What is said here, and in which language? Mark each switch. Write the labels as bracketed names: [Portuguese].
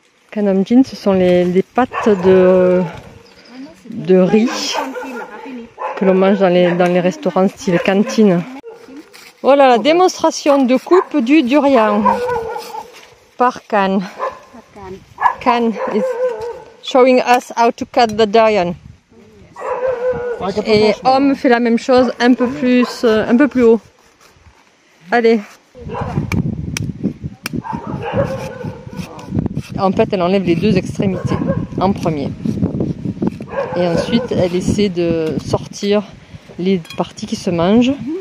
[French] Kanamjin, ce sont les pâtes de riz que l'on mange dans les restaurants style cantine. Voilà la démonstration de coupe du durian par Khan. [English] Khan is showing us how to cut the durian. [French] Et Om fait la même chose un peu plus haut. Allez. En fait, elle enlève les deux extrémités en premier. Et ensuite, elle essaie de sortir les parties qui se mangent.